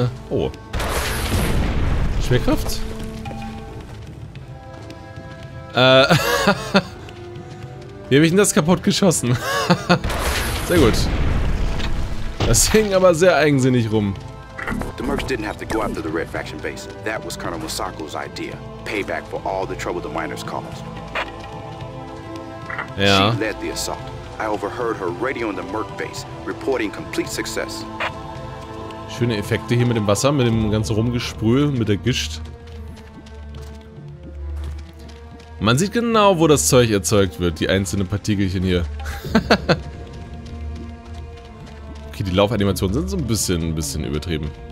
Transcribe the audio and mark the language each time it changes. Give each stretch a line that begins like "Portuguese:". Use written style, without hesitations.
German: Oh. Schwerkraft? Wie habe ich denn das kaputt geschossen? Sehr gut. Das hing aber sehr eigensinnig rum.
English: The Mercs didn't have to go after the Red Faction base. That was Colonel Masako's idea. Payback for all the trouble the miners caused.
German: Ja.
English: She led the assault. I overheard her radio in the Merc base, reporting complete success.
German: Schöne Effekte hier mit dem Wasser, mit dem ganzen Rumgesprühe, mit der Gischt. Man sieht genau, wo das Zeug erzeugt wird, die einzelnen Partikelchen hier. Okay, die Laufanimationen sind so ein bisschen übertrieben.